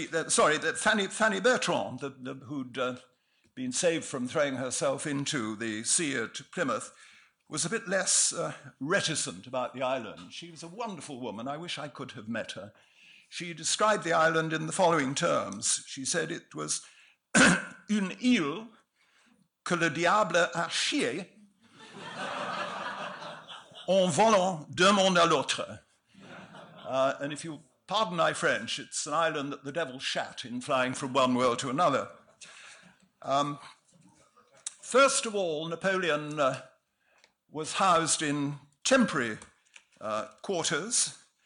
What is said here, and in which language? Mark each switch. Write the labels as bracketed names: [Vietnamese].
[English] Fanny Bertrand, who'd been saved from throwing herself into the sea at Plymouth, was a bit less reticent about the island. She was a wonderful woman. I wish I could have met her. She described the island in the following terms. She said it was [French] une île que le diable a chié en volant d'un monde à l'autre. [English] And if you pardon my French, it's an island that the devil shat in flying from one world to another. First of all, Napoleon was housed in temporary quarters.